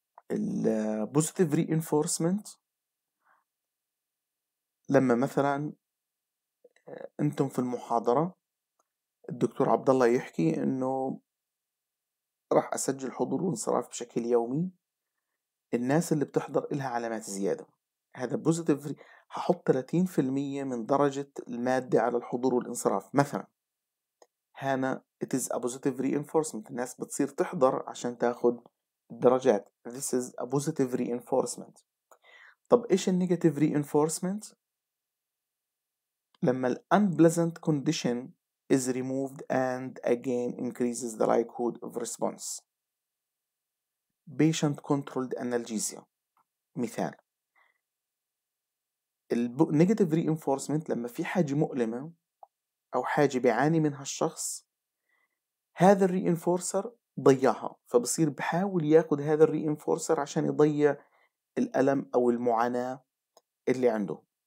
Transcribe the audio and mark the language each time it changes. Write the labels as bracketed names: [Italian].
[Arabic] البوزيتيف reinforcement لما مثلا انتم في المحاضرة الدكتور عبد الله يحكي انه راح اسجل حضور وانصراف بشكل يومي، الناس اللي بتحضر لها علامات زيادة، هذا بوزيتيف، هحط 30% من درجة المادة على الحضور والانصراف مثلا، [English] هنا it is a positive reinforcement، الناس بتصير تحضر عشان تاخد الدرجات، this is a positive reinforcement. طب ايش النيجاتيف reinforcement؟ لما الـ unpleasant condition is removed and again increases the likelihood of response. patient controlled analgesia مثال. [Arabic] الـ negative reinforcement لما في حاجة مؤلمة أو حاجة بيعاني منها الشخص، هذا الـ reinforcer ضيعها، فبصير بحاول ياخد هذا الـ reinforcer عشان يضيع الألم أو المعاناة اللي عنده.